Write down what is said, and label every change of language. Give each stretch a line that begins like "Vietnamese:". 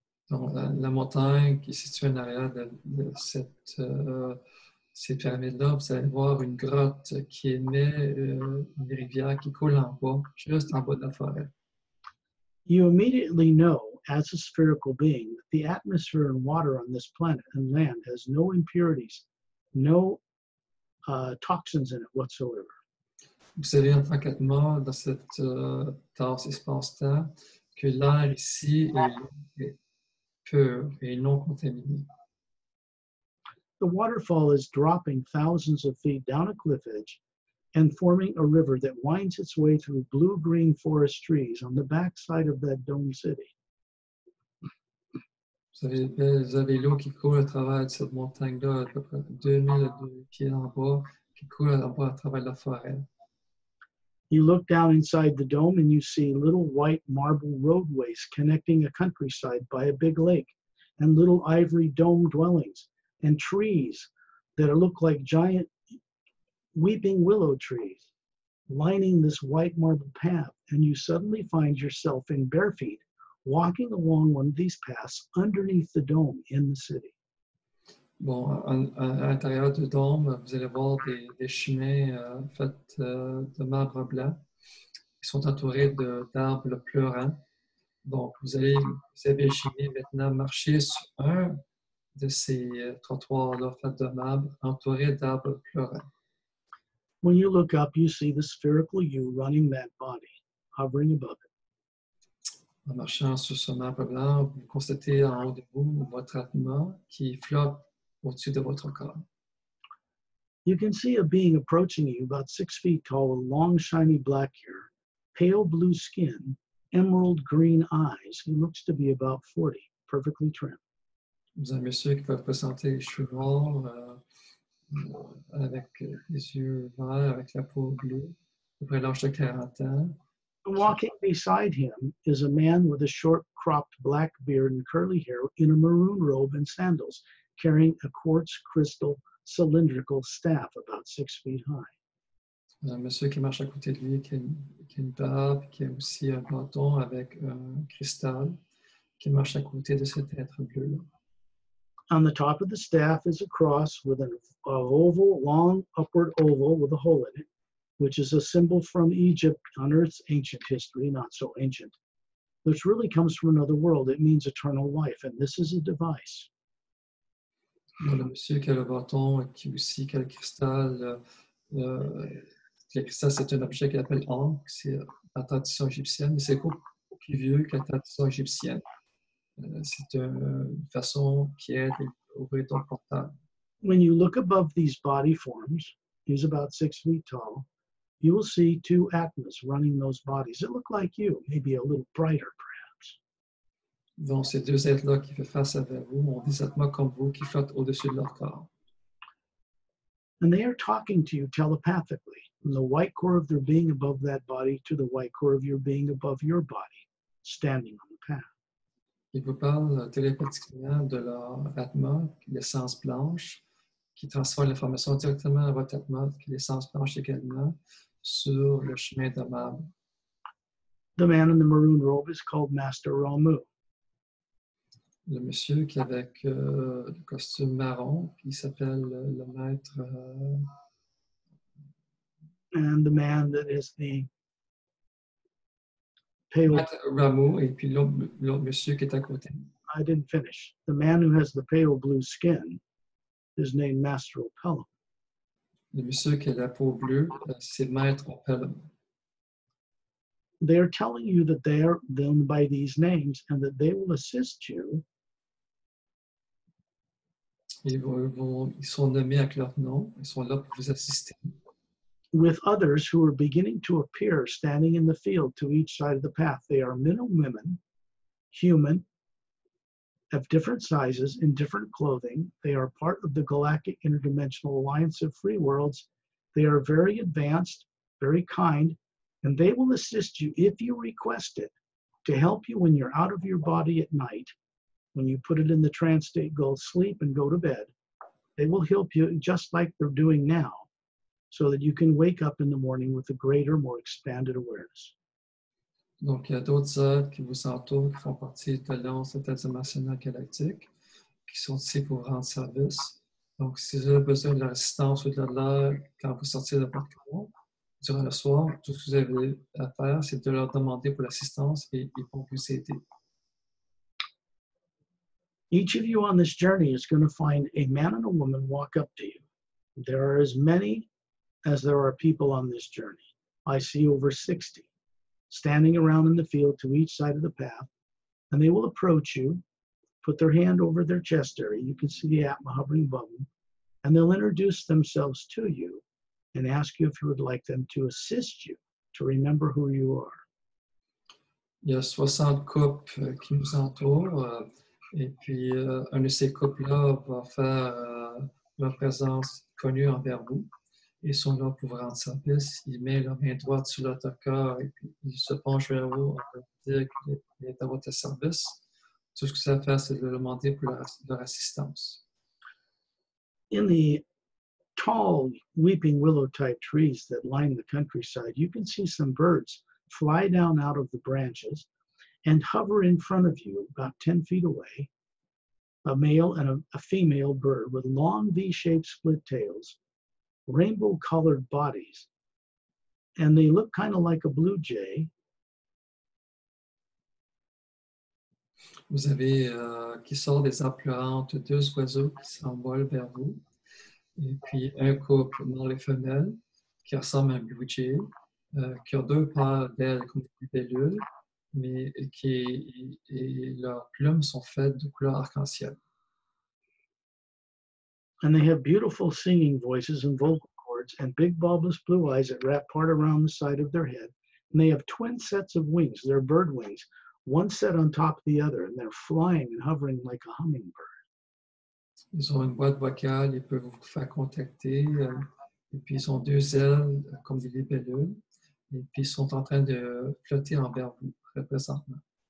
French: Donc, la montagne qui est située en arrière de cette pyramide-là, vous allez voir une grotte qui émet une rivière qui coule en bas, juste en bas de la forêt.
English: You immediately know, as a spherical being, that the atmosphere and water on this planet and land has no impurities, no toxins in it whatsoever.
French: Vous savez en tant qu'être mort dans cette tasse espace-temps que l'air ici est pur et non contaminé.
English: The waterfall is dropping thousands of feet down a cliff edge and forming a river that winds its way through blue-green forest trees on the backside of that dome city.
French: Vous avez l'eau qui coule à travers cette montagne-là, à peu près 2 000 pieds en bas, qui coule en bas à travers la forêt.
English: You look down inside the dome and you see little white marble roadways connecting a countryside by a big lake and little ivory dome dwellings and trees that look like giant weeping willow trees. lining this white marble path, and you suddenly find yourself in bare feet, walking along one of these paths underneath the dome in the city.
French: Bon, à l'intérieur du dôme, vous allez voir des chemins faits de marbre blanc. Ils sont entourés d'arbres pleurants. Donc, vous avez chemin maintenant marcher sur un de ces trottoirs-là faits de marbre, entourés d'arbres pleurants.
English: When you look up, you see the spherical you running that body, hovering above it.
French: En marchant sur ce marbre blanc, vous constatez en haut de vous votre Atma qui flotte au-dessus de votre corps.
English: You can see a being approaching you, about 6 feet tall, with long, shiny black hair, pale blue skin, emerald green eyes. He looks to be about 40, perfectly trim.
French: Vous avez un monsieur qui va présenter les cheveux noirs, avec les yeux verts, avec la peau bleue, à peu près l'âge de 40 ans.
English: Walking beside him is a man with a short, cropped black beard and curly hair in a maroon robe and sandals, carrying a quartz crystal cylindrical staff about 6 feet high.
French: Un monsieur qui marche à côté de lui qui a une barbe, qui a aussi un bâton avec un cristal, qui marche à côté de cet être bleu-là.
English: On the top of the staff is a cross with an oval, long upward oval with a hole in it, which is a symbol from Egypt on Earth's ancient history, not so ancient, which really comes from another world. It means eternal life, and this is a device.
French: Le monsieur qui a le bâton et qui aussi qui a le cristal, c'est un objet qu'il appelle An, c'est la tradition égyptienne, et c'est beaucoup plus vieux que la tradition égyptienne. C'est une façon qui aide à ouvrir ton portail.
English: When you look above these body forms, he's about 6 feet tall, you will see two Atmas running those bodies. It looked like you, maybe a little brighter, perhaps.
French: Donc, ces deux êtres-là qui font face à vous ont des Atmas comme vous qui flottent au-dessus de leur corps.
English: And they are talking to you telepathically, from the white core of their being above that body to the white core of your being above your body, standing on the path.
French: Ils vous parlent télépathiquement de leur Atma, l'essence blanche, qui transforme l'information directement à votre Atma, qui est l'essence blanche également, sur le chemin de marbre.
English: The man in the maroon robe is called Master Ramu.
French: Le monsieur qui avec le costume marron, qui s'appelle le maître.
English: And the man that is the pale.
French: Ramu, et puis l'autre monsieur qui est à côté.
English: I didn't finish. The man who has the pale blue skin. His name Master Opelum.
French: Le monsieur qui a la peau bleue, c'est Maître Opelum.
English: They are telling you that they are them by these names and that they will assist you.
French: Ils sont nommés avec leur nom. Ils sont là pour vous assister.
English: With others who are beginning to appear standing in the field to each side of the path. They are men and women, human, of different sizes, in different clothing. They are part of the Galactic Interdimensional Alliance of Free Worlds. They are very advanced, very kind, and they will assist you if you request it to help you when you're out of your body at night, when you put it in the trance state, go sleep and go to bed. They will help you just like they're doing now so that you can wake up in the morning with a greater, more expanded awareness.
French: Donc, il y a d'autres êtres qui vous entourent, qui font partie de l'Alliance Interdimensionnelle Galactique, qui sont ici pour rendre service. Donc, si vous avez besoin de l'assistance ou de l'air quand vous sortez de votre corps, durant le soir, tout ce que vous avez à faire, c'est de leur demander pour l'assistance et ils vont vous aider.
English: Each of you on this journey is going to find a man and a woman walk up to you. There are as many as there are people on this journey. I see over 60. Standing around in the field to each side of the path, and they will approach you, put their hand over their chest area, you can see the Atma hovering above them, and they'll introduce themselves to you and ask you if you would like them to assist you to remember who you are.
French: Il y a 60 couples qui nous entourent, et puis un de ces couples-là va faire leur présence connue envers vous. Ils sont là pour vous rendre service. Ils mettent leur main droite sur votre corps et puis ils se penchent vers vous pour dire qu'ils sont à votre service. Tout ce que ça fait, c'est de leur demander pour leur assistance.
English: In the tall weeping willow type trees that line the countryside, you can see some birds fly down out of the branches and hover in front of you about 10 feet away, a male and a female bird with long V-shaped split tails, rainbow colored bodies, and they look kind of like a blue jay.
French: Vous avez qui sort des apparentes deux oiseaux qui s'envolent vers vous, et puis un couple mâle et femelle qui ressemble à un blue jay, qui ont deux paires d'ailes comme des libellules, mais qui et leurs plumes sont faites de couleur arc-en-ciel.
English: And they have beautiful singing voices and vocal cords and big bulbous blue eyes that wrap part around the side of their head. And they have twin sets of wings, their bird wings, one set on top of the other, and they're flying and hovering like a hummingbird.
French: Ils ont une boîte vocale, ils peuvent vous faire contacter. Et puis ils ont deux ailes comme des libellules. Et puis ils sont en train de flotter envers vous, représentant.